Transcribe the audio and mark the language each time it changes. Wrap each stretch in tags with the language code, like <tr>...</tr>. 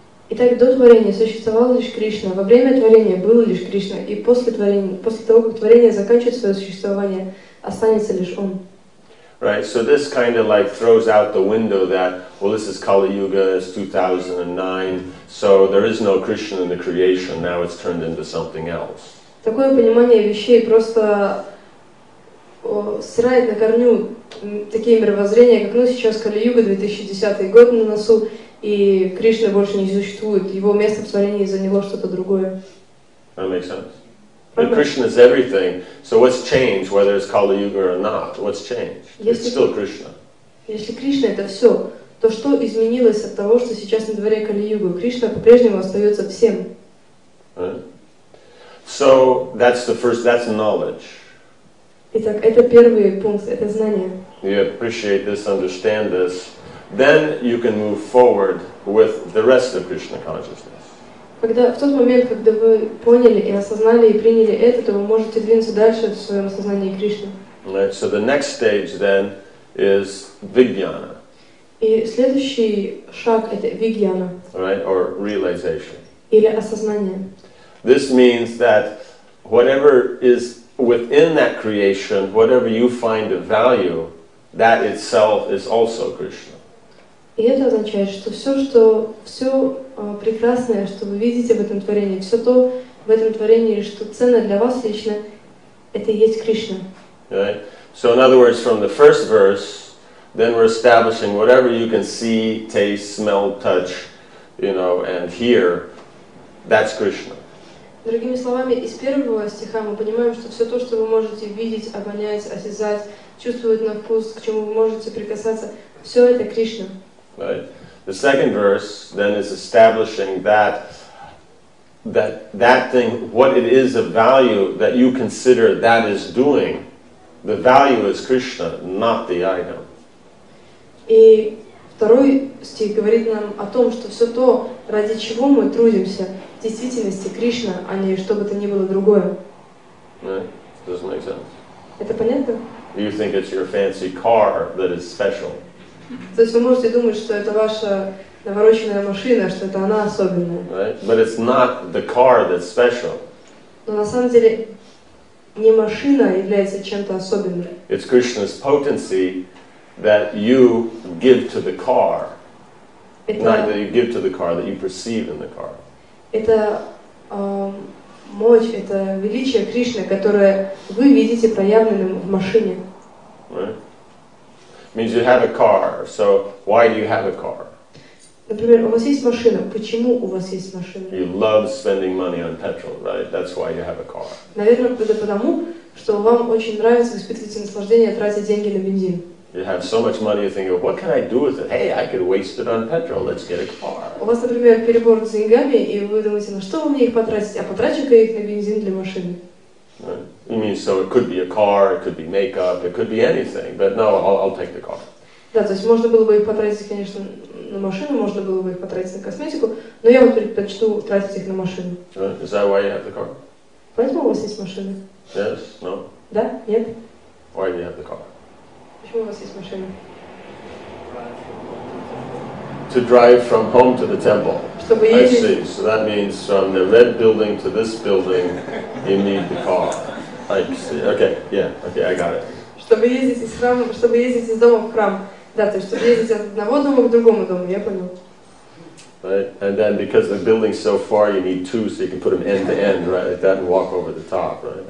<ru>Итак, до творения существовал лишь Кришна, во время творения был лишь Кришна, и после творения, после того, как творение заканчивает свое существование, останется лишь Он.</ru> <en>Right, so this kind of like throws out the window that, well, this is Kali Yuga, it's 2009, so there is no Krishna in the creation, now it's turned into something else.</en> <ru>Такое понимание вещей просто срает на корню такие мировоззрения, как, ну, сейчас Кали-Юга, 2010 год на носу, и Кришна больше не существует. Его место в творении заняло что-то другое.</ru> <en>That makes sense. Krishna is everything. So what's changed, whether it's Kali-Yuga or not? What's changed? It's still Krishna.</en> <ru>Если Кришна — это все, то что изменилось от того, что сейчас на дворе Кали-Юга? Кришна по-прежнему остается всем.</ru> <en>Right. So that's the first, that's knowledge.</en> <ru>Итак, это первый пункт, это знание.</ru> <en>You appreciate this, understand this, then you can move forward with the rest of Krishna consciousness.</en> <ru>Когда в тот момент, когда вы поняли и осознали и приняли это, то вы можете двинуться дальше в своем осознании Кришны.</ru> <en>Right. So the next stage then is vijnana.</en> <ru>И следующий шаг это vijnana.</ru> <en>Right, or realization.</en> <ru>Или осознание.</ru> <en>This means that whatever is within that creation, whatever you find of value, that itself is also Krishna.</en> <ru>И это означает, что все, что все прекрасное, что вы видите в этом творении, все то в этом творении, что ценно для вас лично, это и есть Кришна.</ru> <en>Right. So in other words, from the first verse, then we're establishing whatever you can see, taste, smell, touch, you know, and hear, that's Krishna.</en> <ru>Другими словами, из первого стиха мы понимаем, что все то, что вы можете видеть, обонять, осязать, чувствовать на вкус, к чему вы можете прикасаться, все это Кришна.</ru> <en>Right. The second verse then is establishing that thing, what it is of value that you consider that is doing, the value is Krishna, not the item.</en> <ru>И второй стих говорит нам о том, что все то, ради чего мы трудимся, в действительности Кришна, а не что бы то ни было другое.</ru> <en>Right. Doesn't make sense.</en> <ru>Это понятно?</ru> <en>You think it's your fancy car that is special.</en> <ru>То есть вы можете думать, что это ваша навороченная машина, что это она особенная.</ru> <en>Right? But it's not the car that's special.</en> <ru>Но на самом деле не машина является чем-то особенным.</ru> <en>It's Krishna's potency that you give to the car.</en> <ru>Это,</ru> <en>not that you give to the car, that you perceive in the car.</en> <ru>Это мощь, это величие Кришны, которое вы видите проявленным в машине.</ru> <en>Right? Means you have a car, so why do you have a car?</en> <ru>Например, у вас есть машина. Почему у вас есть машина?</ru> <en>You love spending money on petrol, right? That's why you have a car.</en> <ru>Наверное, это потому, что вам очень нравится испытывать наслаждение, тратить деньги на бензин.</ru> <en>You have so much money, you think, what can I do with it? Hey, I could waste it on petrol, let's get a car.</en> <ru>У вас, например, перебор с деньгами, и вы думаете, на что мне их потратить? А потрачу-ка я их на бензин для машины.</ru> <en>You mean so it could be a car, it could be makeup, it could be anything, but no, I'll take the car.</en> <ru>Да, то есть можно было бы их потратить, конечно, на машину, можно было бы их потратить на косметику, но я вот предпочту тратить их на машину.</ru> <en>Is that why you have the car?</en> <ru>Поэтому у вас есть машина?</ru> <en>Yes, no.</en> <ru>Да, нет.</ru> <en>Why do you have the car?</en> <ru>Почему у вас есть машина?</ru> <en>To drive from home to the temple.</en> <ru>Чтобы ездить.</ru> <en>I see. So that means from the red building to this building, you need the car. I see. Okay. Yeah. Okay. I got it.</en> <ru>Чтобы ездить из храма, чтобы ездить из дома в храм. Да, то есть чтобы ездить от одного дома к другому дому. Я понял.</ru> <en>Right. And then because the building's so far, you need two, so you can put them end to end, right? Like that, and walk over the top, right?</en>